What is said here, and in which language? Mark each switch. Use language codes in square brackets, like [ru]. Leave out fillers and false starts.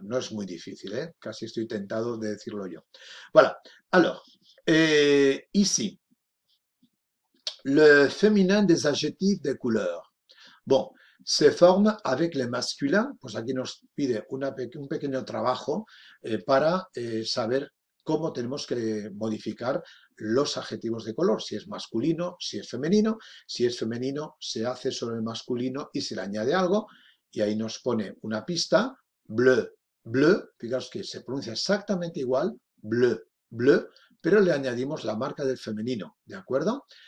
[es] No es muy difícil, ¿eh? Casi estoy tentado de decirlo yo. [fr] Voilà. Alors, ici, le féminin des adjectifs de couleur. Bon. Se forme avec le masculin, [es] pues aquí nos pide un pequeño trabajo para saber cómo tenemos que modificar los adjetivos de color, si es masculino, si es femenino. Si es femenino, se hace solo el masculino y se le añade algo, y ahí nos pone una pista, bleu, bleu, fijaos que se pronuncia exactamente igual, bleu, bleu, pero le añadimos la marca del femenino, ¿de acuerdo?